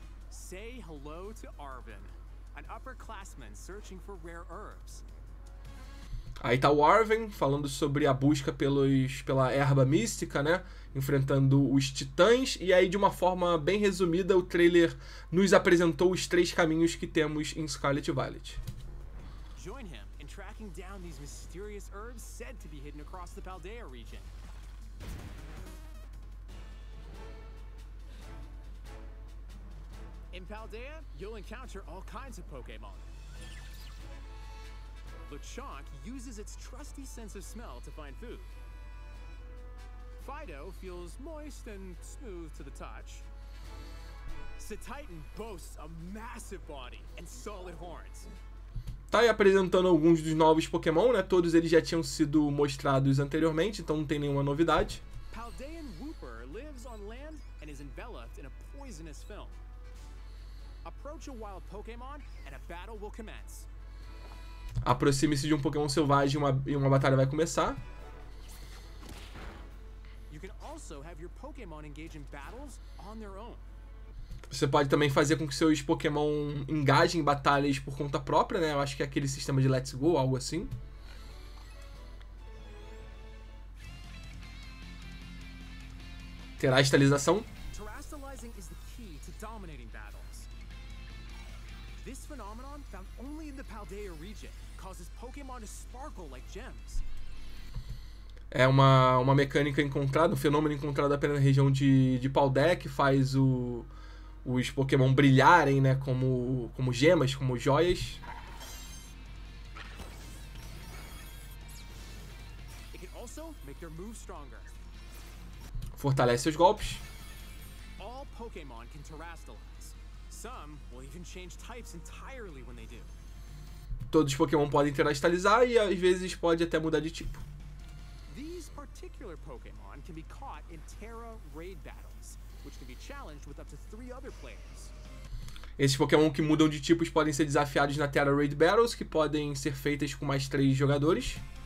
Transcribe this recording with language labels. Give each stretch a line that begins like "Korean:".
English: Say hello to Arvin, an upperclassman searching for rare herbs.
Portuguese: Aí tá o Arvin falando sobre a busca pela erva mística, né? Enfrentando os titãs. E aí, de uma forma bem resumida, o trailer nos apresentou os 3 caminhos que temos em Scarlet Violet.
English: Join him. Tracking down these mysterious herbs said to be hidden across the Paldea region. In Paldea, you'll encounter all kinds of Pokémon. Lechonk uses its trusty sense of smell to find food. Fido feels moist and smooth to the touch. Cetitan boasts a massive body and solid horns.
Portuguese: Tá aí apresentando alguns dos novos Pokémon, né? Todos eles já tinham sido mostrados anteriormente, então não tem nenhuma novidade.
English: Paldean Wooper lives on land and is enveloped in a poisonous film. Approach a wild Pokémon and a battle will commence.
Portuguese: Aproxime-se de um Pokémon selvagem e uma batalha vai começar.
English: You can also have your Pokémon engage in battles on their own.
Portuguese: Você pode também fazer com que seus Pokémon engajem em batalhas por conta própria, né? Eu acho que é aquele sistema de Let's Go, algo assim. Terá estilização.
English: Terastalizing is the key to dominating battles. This phenomenon, found only in the Paldea region, causes Pokémon to sparkle like gems.
Portuguese: É uma mecânica encontrada, um fenômeno encontrado apenas na região de Paldea que faz os Pokémon brilharem, né, como gemas, como joias.
English: It can also make their move stronger.
Portuguese: Fortalece seus golpes.
English: All Pokémon can terastalize. Some will even change types entirely when they do.
Portuguese: Todos os Pokémon podem terastalizar e às vezes pode até mudar de tipo.
English: These particular Pokémon can be caught in Terra raid battles. Which can be challenged with up to 3 other players.
Portuguese: Esses Pokémon que mudam de tipos podem ser desafiados na Terra Raid Battles, que podem ser feitas com mais 3 jogadores.